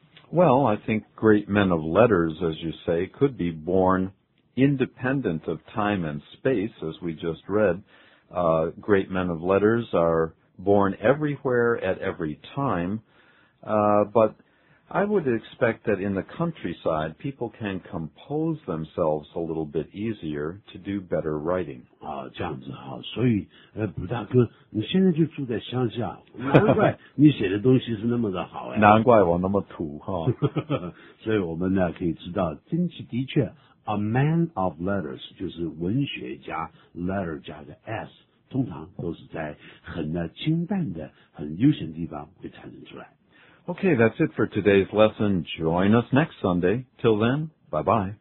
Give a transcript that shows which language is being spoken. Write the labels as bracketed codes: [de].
[en] Well, I think great men of letters, as you say, could be born independent of time and space, as we just read. Great men of letters are born everywhere at every time, but I would expect that in the countryside, people can compose themselves a little bit easier to do better writing. [zh] 这样子好，所以，不大哥，你现在就住在乡下，难怪你写的东西是那么的好呀。难怪我那么土哈。所以我们呢可以知道，真是的确 ， [en] a man of letters [zh] 就是文学家 ，letter 加个 s， 通常都是在很清淡的、很悠闲的地方会产生出来。 [en] Okay, that's it for today's lesson. Join us next Sunday. Till then, bye-bye.